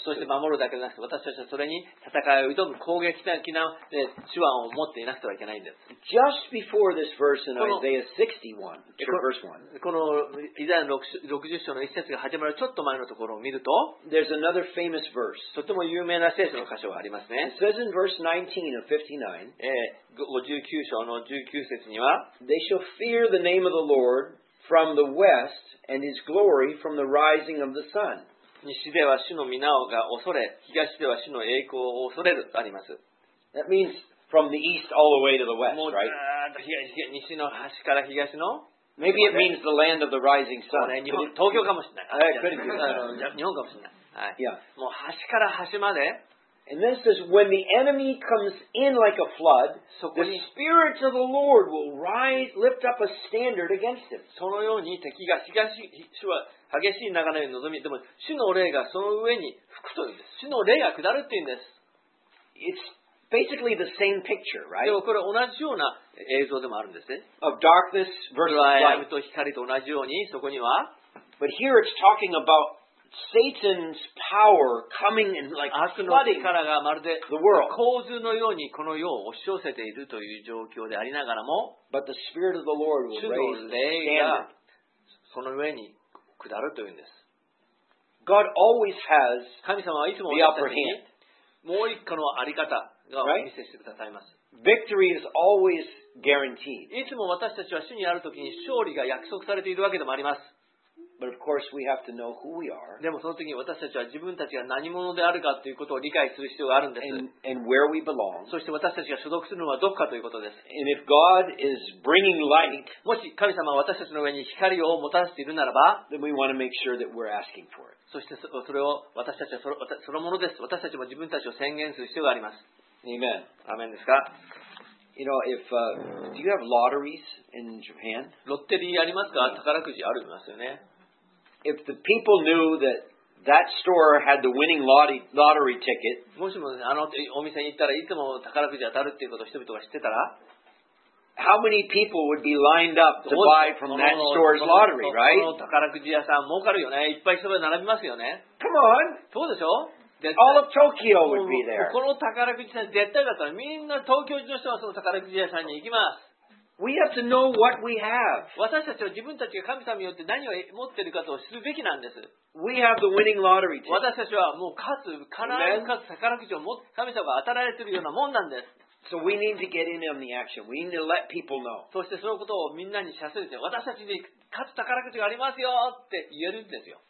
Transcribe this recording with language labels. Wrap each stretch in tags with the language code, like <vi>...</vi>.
<ja>そして守るだけでなく、私たちはそれに戦いを挑む攻撃的な手腕を持っていなくてはいけないんです。</ja> <en>Just before this verse in Isaiah 61,</en> <ja>このイザヤ60章の一節が始まるちょっと前のところを見ると、</ja> <en>there's another famous verse.</en> <ja>とても有名な聖書の箇所がありますね。</ja> <en>It says in verse 19 of 59,</en> <ja>59章の19節には、</ja> <en>they shall fear the name of the Lord. From the west and his glory from the rising of the sun.</en> <ja>西では主の皆が恐れ、東では主の栄光を恐れるとあります。</ja> <en>That means from the east all the way to the west, right?</en> <ja>もう西の端から東の。</ja> <en>Maybe it means the land of the rising sun.</en> <ja>そうね、日本、東京かもしれない。</ja> <en>Yeah, could be.</en> <ja>日本かもしれない。はい。</ja> <en>Yeah.</en> <ja>もう端から端まで。</ja> <en>And this is when the enemy comes in like a flood, the Spirit of the Lord will rise, lift up a standard against him.</en> <ja>そのように敵が東、主は激しい流れに臨み、でも主の霊がその上に吹くというんです。主の霊が下るというんです。</ja> <en>It's basically the same picture, right?</en> <ja>でもこれ同じような映像でもあるんですね。</ja> <en>Of darkness versus light.</en> <ja>暗闇と光と同じように、そこには。</ja> <en>But here it's talking aboutSatan's power coming in like flooding the world.</en> <ja>洪水のようにこの世を押し寄せているという状況でありながらも、</ja> <en>but the spirit of the Lord will raise the standard.</en> <ja>その上に下るというんです。</ja> <en>God always has the upper hand.</en> <ja>もう一個のあり方がお見せしてくださいます。</ja> <en>Victory is always guaranteed.</en> <ja>いつも私たちは主にあるときに勝利が約束されているわけでもあります。</ja> <en>But of course, we have to know who we are.</en> <ja>でもその時に私たちは自分たちが何者であるかということを理解する必要があるんです。</ja> <en>And where we belong.</en> <ja>そして私たちが所属するのはどこかということです。</ja> <en>And if God is bringing light,</en> <ja>もし神様は私たちの上に光をもたらしているならば、</ja> <en>then we want to make sure that we're asking for it.</en> <ja>そしてそれを私たちはそのものです。私たちも自分たちを宣言する必要があります。</ja> <en>Amen.</en> <ja>アメンですか。</ja> <en>You know, if do you have lotteries in Japan?</en> <ja>ロッテリーありますか？宝くじありますよね。</ja> <en>If the people knew that that store had the winning lottery ticket,</en> <ja>もしもあのお店に行ったらいつも宝くじ当たるっていうことを人々が知ってたら、</ja> <en>how many people would be lined up to buy from that store's lottery, right?</en> <ja>この宝くじ屋さん儲かるよね。いっぱい人々並びますよね。</ja> <en>Come on!</en> <ja>そうでしょ？</ja> <en>All of Tokyo would be there.</en> <ja>この宝くじ屋さん絶対だったら、みんな東京中の人はその宝くじ屋さんに行きます。</ja> <en>We have to know what we have.</en> <ja>私たちは自分たちが神様によって何を持っているかと知るべきなんです。</ja> <en>We have the winning lottery too.</en> <ja>私たちはもう勝つ、必ず勝つ宝くじを神様が与えられているようなもんなんです。</ja> <en>So we need to get in on the action. We need to let people know.</en> <ja>そしてそのことをみんなに知らせるんですよ。私たちに勝つ宝くじがありますよって言えるんですよ。</ja>